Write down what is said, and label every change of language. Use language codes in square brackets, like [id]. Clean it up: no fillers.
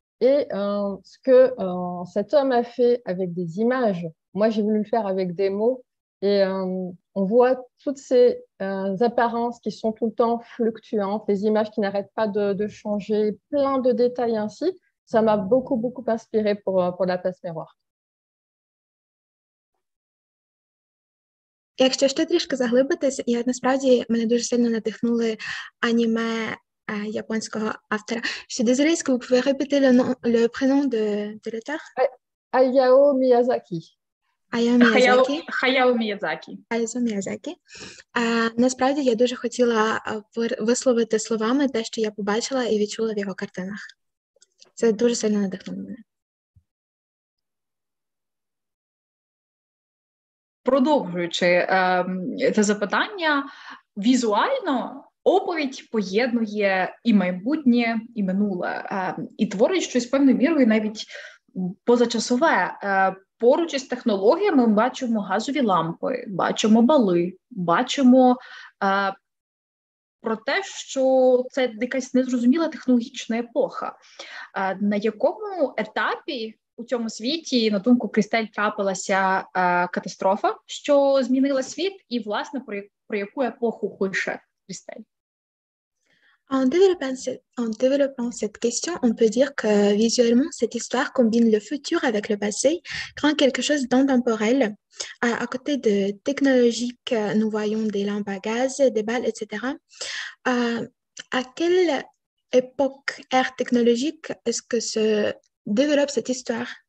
[fr] Et ce que cet homme a fait avec des images, moi, j'ai voulu le faire avec des mots. Et on voit toutes ces apparences qui sont tout le temps fluctuantes, les images qui n'arrêtent pas de changer, plein de détails ainsi. Ça m'a beaucoup, beaucoup inspirée pour la place miroir. [uk] Якщо ще трішки заглибитись, я насправді мене дуже сильно надихнули аніме японського автора. [fr] Je suis désolée, est-ce que vous pouvez répéter le prénom de l'auteur? Hayao Miyazaki. [uk] Хаяо Міязакі. Насправді, я дуже хотіла висловити словами те, що я побачила і відчула в його картинах. Це дуже сильно надихнуло мене. продовжуючи це запитання, візуально оповідь поєднує і майбутнє, і минуле, і творить щось певною мірою навіть позачасове. Поруч із технологіями ми бачимо газові лампи, бачимо бали, бачимо про те, що це якась незрозуміла технологічна епоха. На якому етапі у цьому світі, на думку Крістель, трапилася катастрофа, що змінила світ, і, власне, про яку епоху пише Крістель? [fr] En développant cette question, on peut dire que visuellement, cette histoire combine le futur avec le passé, créant quelque chose d'intemporel. À côté de technologique, nous voyons des lampes à gaz, des balles, etc. À quelle époque ère technologique est-ce que se développe cette histoire?